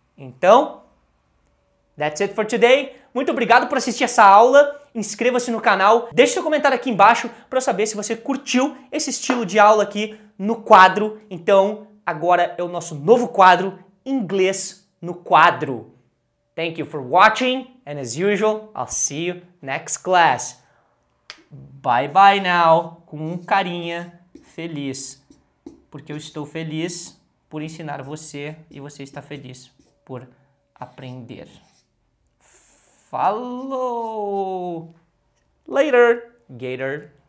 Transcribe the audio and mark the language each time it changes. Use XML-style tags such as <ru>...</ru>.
<pt>Então,</pt> <en>that's it for today.</en> <pt>Muito obrigado por assistir essa aula. Inscreva-se no canal. Deixe seu comentário aqui embaixo para saber se você curtiu esse estilo de aula aqui no quadro. Então, agora é o nosso novo quadro, Inglês no Quadro.</pt> <en>Thank you for watching, and as usual, I'll see you next class. Bye bye now,</en> <pt>com um carinha feliz, porque eu estou feliz por ensinar você e você está feliz por aprender. Falou!</pt> <en>Later, Gator!</en>